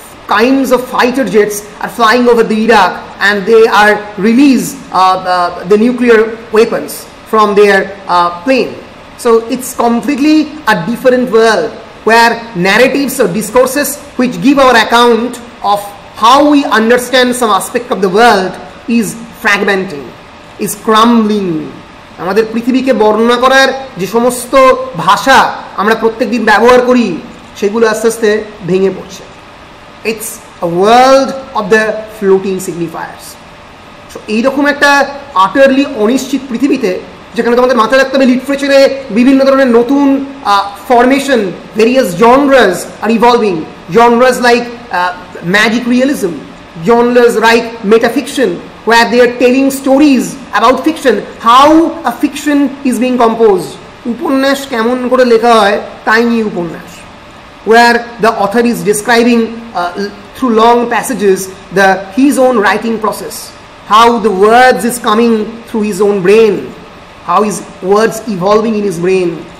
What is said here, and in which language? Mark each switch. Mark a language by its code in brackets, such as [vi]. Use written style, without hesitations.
[en] kinds of fighter jets are flying over the Iraq, and they are release the nuclear weapons from their plane. So it's completely a different world where narratives or discourses which give our account of how we understand some aspect of the world is fragmenting, is crumbling. [bn] আমাদের পৃথিবীকে বর্ণনা করার যে সমস্ত ভাষা আমরা প্রত্যেকদিন ব্যবহার করি সেগুলো আস্তে আস্তে ভেঙে পড়ছে. [en] It's a world of the floating signifiers. So [bn] এইরকম একটা আটারলি অনিশ্চিত পৃথিবীতে যেখানে তোমাদের মাথায় রাখতে হবে লিটারেচারে বিভিন্ন ধরনের নতুন formation, [en] Various genres আর evolving genres like magic realism, genres like metafiction where they are telling stories about fiction, how a fiction is being composed. [bn] Upanyas kemon kore lekha hoy, [en] tiny upanyas, where the author is describing through long passages the his own writing process, how the words is coming through his own brain, how his words evolving in his brain.